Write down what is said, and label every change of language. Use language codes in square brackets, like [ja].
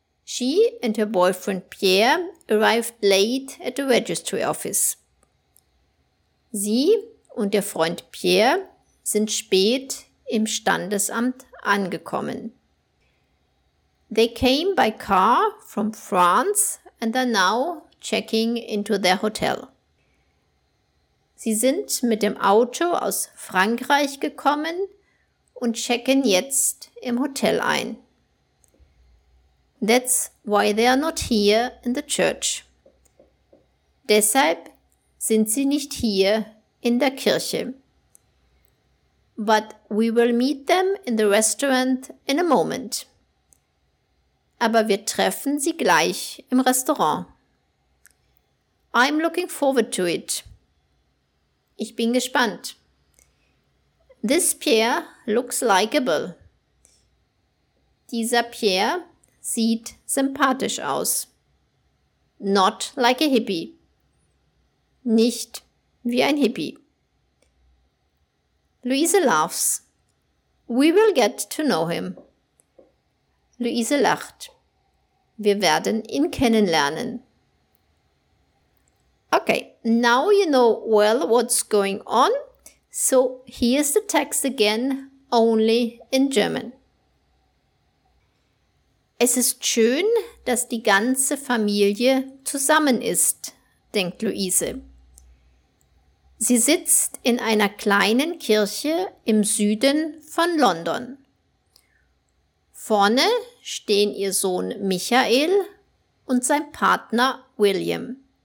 [en] She and her boyfriend Pierre arrived late at the registry office. [de] Sie und ihr Freund Pierre sind spät im Standesamt angekommen. [en] They came by car from France and are now checking into their hotel. [de] Sie sind mit dem Auto aus Frankreich gekommen und checken jetzt im Hotel ein. [en] That's why they are not here in the church. [de] Deshalb sind sie nicht hier in der Kirche. [en] But we will meet them in the restaurant in a moment. [de] Aber wir treffen sie gleich im Restaurant. [en] I'm looking forward to it. [de] Ich bin gespannt. [en] This Pierre looks likable. [de] Dieser Pierre sieht sympathisch aus. [en] Not like a hippie. [de] Nicht wie ein Hippie. [en] Luise laughs. We will get to know him. [de] Luise lacht. Wir werden ihn kennenlernen. [en] Okay, now you know well what's going on. So here's the text again, only in German. [de] Es ist schön, dass die ganze Familie zusammen ist, denkt Luise. Sie sitzt in einer kleinen Kirche im Süden von London. Vorne stehen ihr Sohn Michael und sein Partner William.